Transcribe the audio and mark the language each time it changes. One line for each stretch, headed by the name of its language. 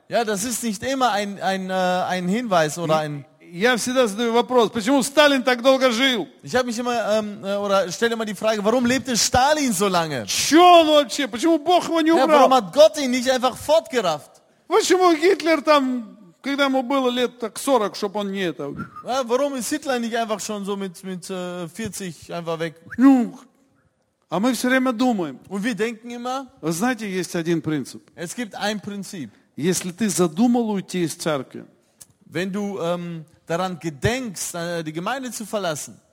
German: Ja, das ist nicht immer ein Hinweis oder ein.
Russian: Я всегда задаю вопрос, почему Сталин так долго жил?
German: Ich habe mich immer oder stelle immer die Frage, warum lebte Stalin so lange?
Russian: Чё он вообще? Почему Бог его не убрал?
German: Warum hat Gott ihn nicht einfach fortgerafft?
Russian: Почему Гитлер там? Когда ему было лет так 40, чтобы он не это.
German: А warum ist Hitler nicht einfach schon so mit 40 einfach weg?
Russian: Ну, а мы все время думаем.
German: Und wir denken immer.
Russian: Вы знаете, есть один принцип.
German: Es gibt ein Prinzip.
Russian: Если ты задумал уйти из церкви.
German: Wenn du daran gedenkst, die Gemeinde zu verlassen.